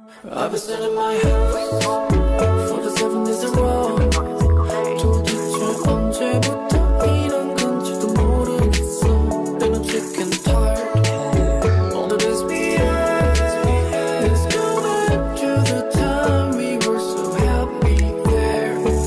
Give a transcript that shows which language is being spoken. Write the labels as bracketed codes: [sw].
[en] I've been selling my house for the 7 days in a row. [ko] 도대체 언제부터 이런 건지도 모르겠어. [en] And I'm sick and tired. All that is behind. Let's go back to the time we were so happy there.